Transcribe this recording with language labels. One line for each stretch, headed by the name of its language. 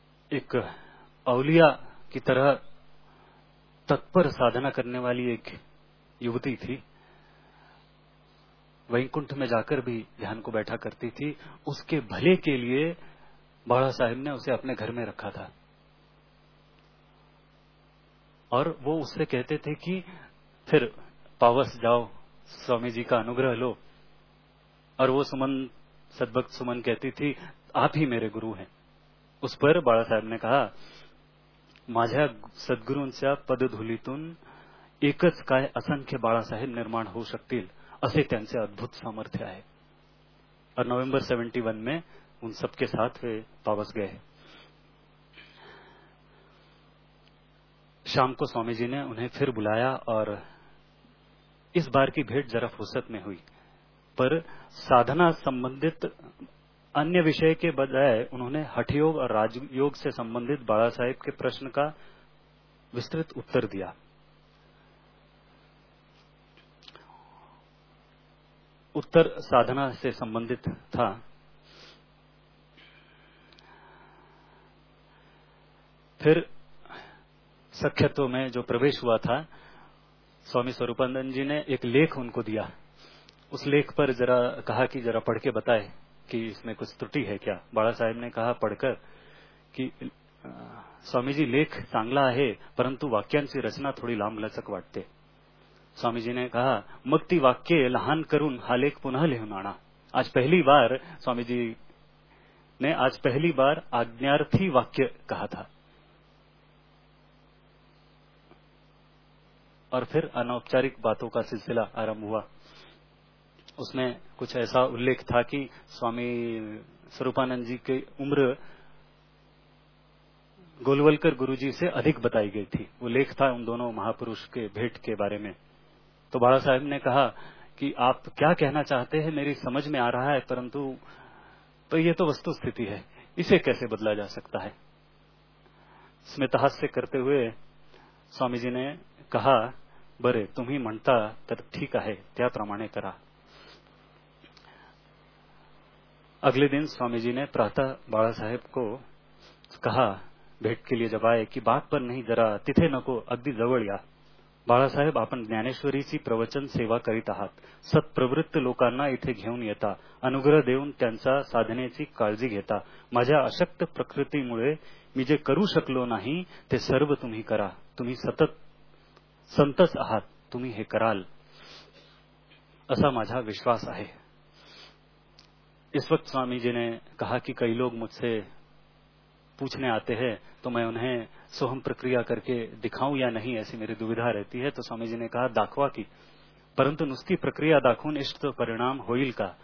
Hindi: एक अवलिया की तरह तत्पर साधना करने वाली एक युवती थी, वैकुंठ में जाकर भी ध्यान को बैठा करती थी, उसके भले के लिए बाळा साहेब ने उसे अपने घर में रखा था और वो उससे कहते थे कि फिर पावस जाओ, स्वामी जी का अनुग्रह लो, और वो सुमन सद्भक्त सुमन कहती थी आप ही मेरे गुरु हैं। उस पर बाळा साहेब ने कहा,
Marathi: माझ्या सद्गुरूंच्या पदधूलीतून एकच काय असंख्य बाळासाहेब निर्माण होऊ शकतील असे त्यांचे अद्भुत सामर्थ्य आहे।
Hindi: और नोव्हेंबर 71 में उन सबके साथ वे पावस गए। शाम को स्वामी जी ने उन्हें फिर बुलाया और इस बार की भेंट जरा फुर्सत में हुई, पर साधना संबंधित अन्य विषय के बजाय उन्होंने हठयोग और राजयोग से संबंधित बाळा साहेब के प्रश्न का विस्तृत उत्तर दिया। उत्तर साधना से संबंधित था। फिर सख्यत्व में जो प्रवेश हुआ था, स्वामी स्वरूपानंद जी ने एक लेख उनको दिया, उस लेख पर जरा कहा कि जरा पढ़ के बताए कि इसमें कुछ त्रुटि है क्या। बाळा साहेब ने कहा पढ़कर कि
Marathi: स्वामीजी लेख चांगला आहे परंतु वाक्यांची रचना थोडी लांबलचक वाटते.
Hindi: स्वामीजीने कहा
Marathi: मग ती वाक्य लहान करून हा लेख पुन्हा लिहून आणा.
Hindi: आज पहिली बार स्वामीजी ने आज पहली बार आज्ञार्थी वाक्य कहा था और फिर अनौपचारिक बातों का सिलसिला आरंभ हुआ. उसमें कुछ ऐसा उल्लेख था कि स्वामी स्वरूपानंद जी की उम्र गोलवलकर गुरुजी से अधिक बताई गई थी. वो लेख था उन दोनों महापुरुष के भेंट के बारे में. तो बाला साहेब ने कहा कि आप क्या कहना चाहते हैं मेरी समझ में आ रहा है परंतु तो ये तो वस्तु स्थिति है, इसे कैसे बदला जा सकता है. स्मितहास्य करते हुए स्वामी जी ने कहा
Marathi: बरे तुम्ही म्हणता तर ठीक आहे त्याप्रमाणे करा.
Hindi: अगले दिन स्वामी जी ने प्रातः बाला साहेब को कहा भेट के लिए जब आए कि बात पर नहीं जरा
Marathi: तिथे नको अगदी जवळ या. बाळा साहेब आपण ज्ञानेश्वरीची प्रवचन सेवा करीत आहात, सत्प्रवृत्त लोकांना इथे घेऊन येता, अनुग्रह देऊन त्यांच्या साधनेची काळजी घेता. माझ्या अशक्त प्रकृतीमुळे मी जे करू शकलो नाही ते सर्व तुम्ही करा, तुम्ही सतत संतच आहात, तुम्ही हे कराल असा माझा विश्वास आहे.
Hindi: इस वक्त स्वामीजीने कहा की कई लोग मुझसे पूछने आते हैं तो मैं उन्हें सोहम प्रक्रिया करके दिखाऊं या नहीं, ऐसी मेरी दुविधा रहती है. तो स्वामी जी ने कहा
Marathi: दाखवा की, परंतु नुस्ती प्रक्रिया दाखवून इष्ट तो परिणाम होईल का.